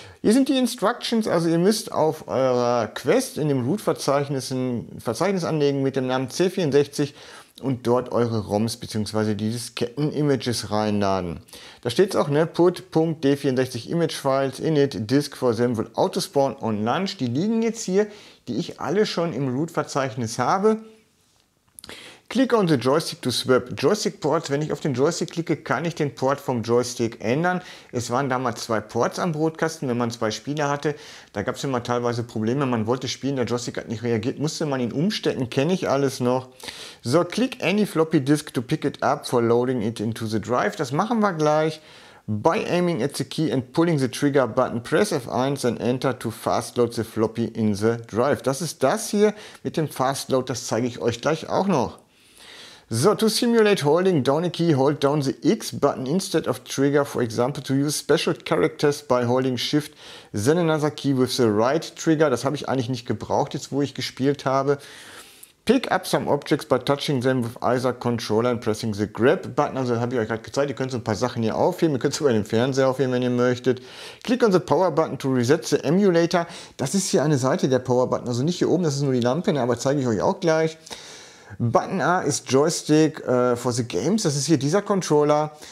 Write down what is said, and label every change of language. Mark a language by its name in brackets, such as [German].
[German] Hier sind die Instructions, also ihr müsst auf eurer Quest in dem Root-Verzeichnis ein Verzeichnis anlegen mit dem Namen C64 und dort eure ROMs bzw. die Disketten-Images reinladen. Da steht es auch, ne? [English] put.d64-image-files init disk for example autospawn on launch. [German] Die liegen jetzt hier, die ich alle schon im Root-Verzeichnis habe. [English] Click on the joystick to swap joystick ports. [German] Wenn ich auf den Joystick klicke, kann ich den Port vom Joystick ändern. Es waren damals zwei Ports am Brotkasten, wenn man zwei Spiele hatte. Da gab es immer teilweise Probleme. Man wollte spielen, der Joystick hat nicht reagiert. Musste man ihn umstecken, kenne ich alles noch. [English] So, click any floppy disk to pick it up for loading it into the drive. [German] Das machen wir gleich. [English] By aiming at the key and pulling the trigger button, press F1 and enter to fast load the floppy in the drive. [German] Das ist das hier mit dem Fast Load, das zeige ich euch gleich auch noch. [English] So, to simulate holding down a key, hold down the X button instead of trigger, for example, to use special characters by holding shift, then another key with the right trigger. [German] Das habe ich eigentlich nicht gebraucht, jetzt wo ich gespielt habe. [English] Pick up some objects by touching them with either controller and pressing the grab button. [German] Also das habe ich euch gerade gezeigt, ihr könnt so ein paar Sachen hier aufheben, ihr könnt sogar den Fernseher aufheben, wenn ihr möchtet. [English] Click on the power button to reset the emulator. [German] Das ist hier eine Seite der power button, also nicht hier oben, das ist nur die Lampe, aber zeige ich euch auch gleich. Button A ist Joystick [English] for the Games, [German] das ist hier dieser Controller.